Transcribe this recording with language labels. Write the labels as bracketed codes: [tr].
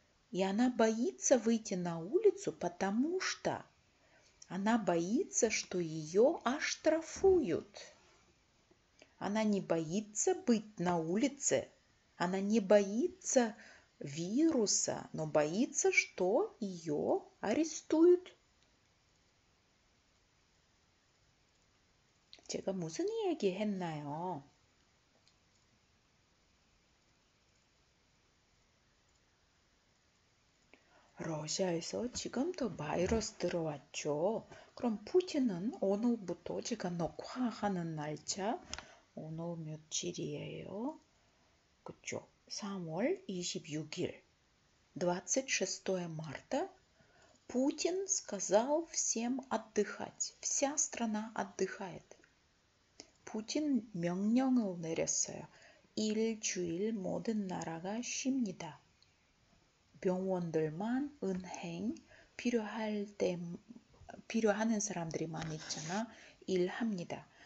[ru] И она боится выйти на улицу, потому что она боится, что ее оштрафуют. Она не боится быть на улице. Она не боится вируса, но боится, что ее арестуют. [ko] 제가 무슨 이야기 했나요? 러시아에서 지금도 바이러스 들어왔죠. 그럼 푸틴은 오늘부터 제가 녹화하는 날짜, 오늘 며칠이에요? 그쵸? 3월 26일, [ru] 26 марта, Путин сказал всем отдыхать. Вся страна отдыхает. [ko] Путин 명령을 내렸어요. 일주일 모든 나라가 쉽니다. 병원들만 은행 필요할 때 필요하는 사람들이만 있잖아 일합니다.